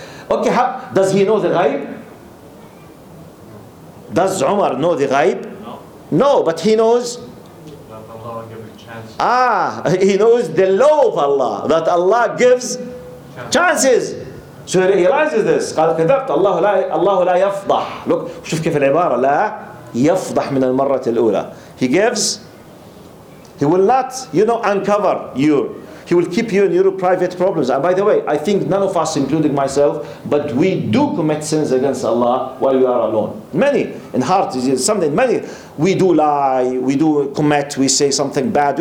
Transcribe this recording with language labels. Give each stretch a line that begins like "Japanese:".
English: Okay, does he know the ghaib? Does Umar know the ghaib? No, but he knows that Allah gives chances. Ah, he knows the law of Allah, that Allah gives chances. So he realizes this.
Arabic: قال كذبت الله لا يفضح. Look, شوف كيف العبارة لا يفضح من المرة الأولى.
English: He gives, he will not, you know, uncover you. He will keep you in your private problems. And by the way, I think none of us, including myself, but we do commit sins against Allah while we are alone. Many, in heart, is something, many, we do lie, we do commit, we say something bad.